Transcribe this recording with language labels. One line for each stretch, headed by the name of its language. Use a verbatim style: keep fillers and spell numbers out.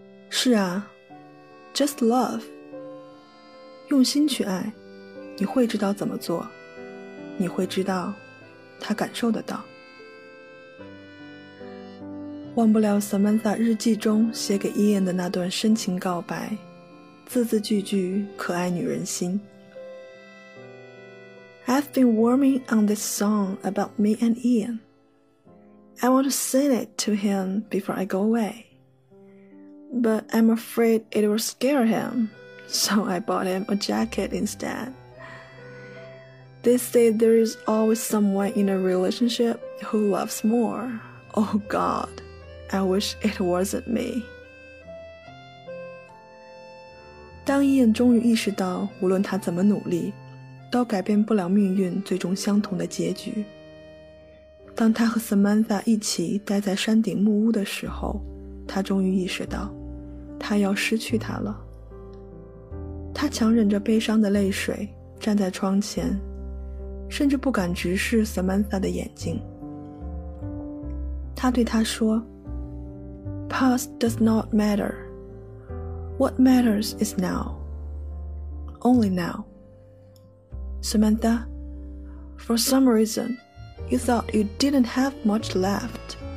Chinese: 是啊，
English: just love，
Chinese: 用心去爱，你会知道怎么做，你会知道他感受得到。忘不了 Samantha 日记中写给 Ian 的那段深情告白，字字句句可爱女人心。
English: I've been warming on this song about me and Ian. I want to sing it to him before I go away. But I'm afraid it will scare him, so I bought him a jacket instead. They say there is always someone in a relationship who loves more. Oh God, I wish it wasn't me.
Chinese: 当Ian终于意识到，无论他怎么努力都改变不了命运最终相同的结局。当他和 Samantha 一起待在山顶木屋的时候，他终于意识到他要失去她了。他强忍着悲伤的泪水站在窗前，甚至不敢直视 Samantha 的眼睛。他对她说
English: Past does not matter. What matters is now. Only now. Samantha, for some reason, you thought you didn't have much left.